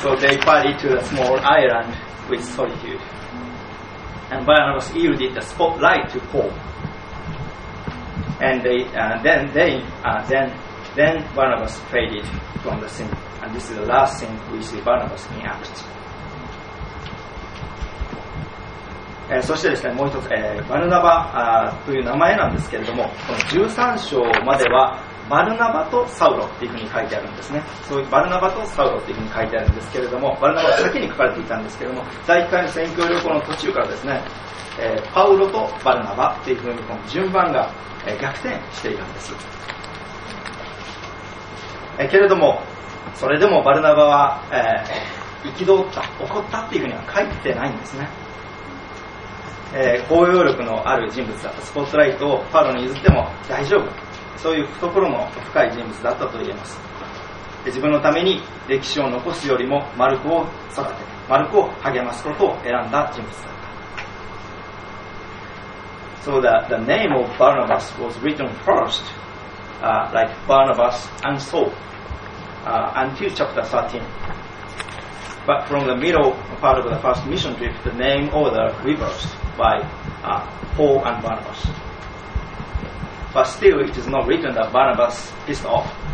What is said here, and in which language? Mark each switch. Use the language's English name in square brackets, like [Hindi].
[English] So they partied to a small island with solitude. And Barnabas yielded the spotlight to Paul. And then Barnabas faded from the scene. And this is the last thing we see Barnabas in Acts. [Japanese] そしてですね、もう一つ、バルナバという名前なんですけれども、この13章まではバルナバとサウロっていうふうに書いてあるんですね。そういうバルナバとサウロっていうふうに書いてあるんですけれども、バルナバは先に書かれていたんですけれども、第1回の宣教旅行の途中からですね、パウロとバルナバっていうふうにこの順番が逆転しているんです。けれども、それでもバルナバは、憤った、怒ったっていうふうには書いてないんですね。包容力のある人物だった、スポットライトをパウロに譲っても大丈夫。そういう懐の深い人物だったと言えます。自分のために歴史を残すよりもマルコを育て、マルコを励ますことを選んだ人物だった。 [English] So the name of Barnabas was written first、like Barnabas and Saul、until chapter 13. But from the middle part of the first mission trip, the name order reversed by、Paul and BarnabasBut still, it is not written that Barnabas pissed off.